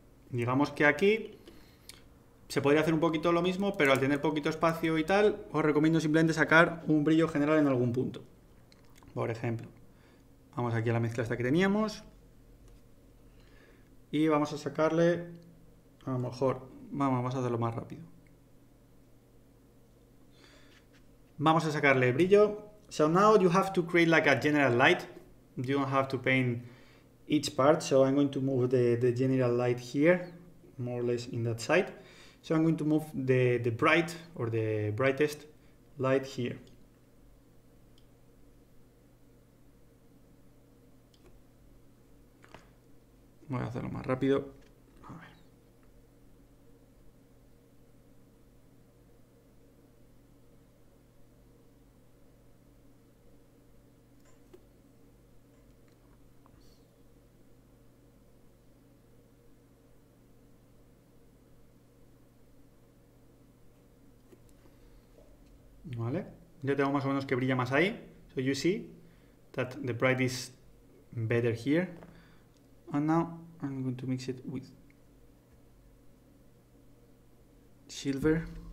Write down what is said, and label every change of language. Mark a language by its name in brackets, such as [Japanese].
[Spanish] Digamos que aquí se podría hacer un poquito lo mismo, pero al tener poquito espacio y tal, os recomiendo simplemente sacar un brillo general en algún punto. Por ejemplo, vamos aquí a la mezcla esta que teníamos y vamos a sacarle, a lo mejor, vamos a hacerlo más rápido. Vamos a sacarle el brillo. [English] So now you have to create like a general light. You don't have to paint each part, so I'm going to move the general light here, more or less in that side. So I'm going to move the bright or the brightest light here. [Spanish] Voy a hacerlo más rápido. Vale, ya tengo más o menos que brilla más ahí. [English] So you see that the bright is better here. And now I'm going to mix it with silver.